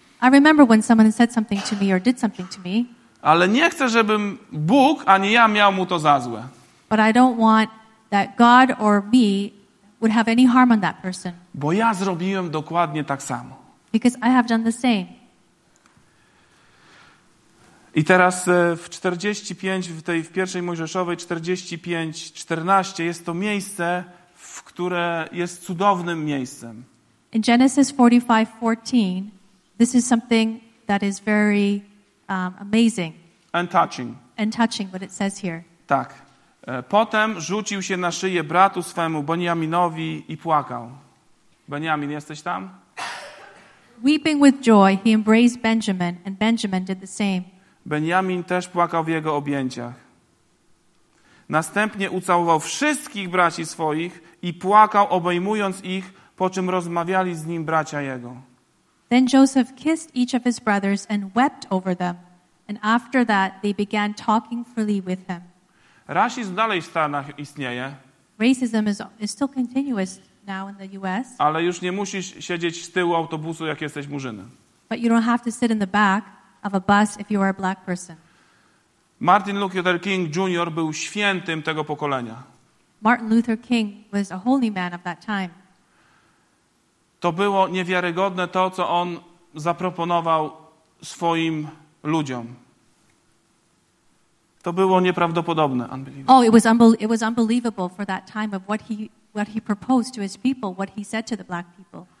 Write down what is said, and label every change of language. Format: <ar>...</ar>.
<en>I remember when someone said something to me or did something to me.</en> <pl>Ale nie chcę, żebym Bóg, a nie ja miał mu to za złe.</pl> <en>But I don't want that God or me would have any harm on that person.</en> <pl>Bo ja zrobiłem dokładnie tak samo.</pl> <en>Because I have done the same.</en> <pl>I teraz w 45, w tej w pierwszej Mojżeszowej 45, 14 jest to miejsce, w które jest cudownym miejscem.</pl> <en>In Genesis 45, 14, this is something that is very amazing. And touching. And touching, what it says here.</en> <pl>Tak. Potem rzucił się na szyję bratu swemu, Beniaminowi, i płakał. Beniamin, jesteś tam?</pl> <en>Weeping with joy, he embraced Benjamin, and Benjamin did the same.</en> <pl>Beniamin też płakał w jego objęciach. Następnie ucałował wszystkich braci swoich i płakał, obejmując ich, po czym rozmawiali z nim bracia jego.</pl> <en>Then Joseph kissed each of his brothers and wept over them, and after that they began talking freely with him.</en> <pl>Rasizm dalej w Stanach istnieje.</pl> <en>Racism is still continuous now in the US.</en> <pl>Ale już nie musisz siedzieć z tyłu autobusu, jak jesteś Murzynem.</pl> <en>But you don't have to sit in the back of a bus if you are a black person.</en> <pl>Martin Luther King Jr. był świętym tego pokolenia.</pl> <en>Martin Luther King was a holy man of that time.</en> <pl>To było niewiarygodne to, co on zaproponował swoim ludziom. To było nieprawdopodobne.</pl> <en>Oh, it was unbelievable for that time of what he proposed to his people, what he said to the black people.</en>